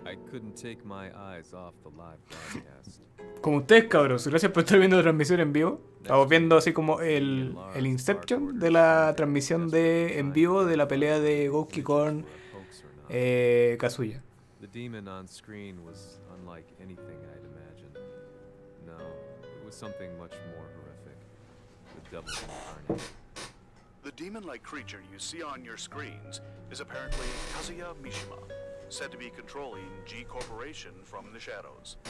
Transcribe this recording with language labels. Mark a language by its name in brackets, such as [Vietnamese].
[English] Couldn't take my eyes off the live broadcast. [Spanish] Como ustedes, cabros, gracias por estar viendo la transmisión en vivo. Estamos viendo así como el Inception de la transmisión de en vivo de la pelea de Gouki con Kazuya. [English] The demon on screen was unlike anything I'd imagined. No, it was something much more horrific. The double incarnate. The demon-like creature you see on your screens is apparently Kazuya Mishima. Said to be controlling G Corporation from the shadows.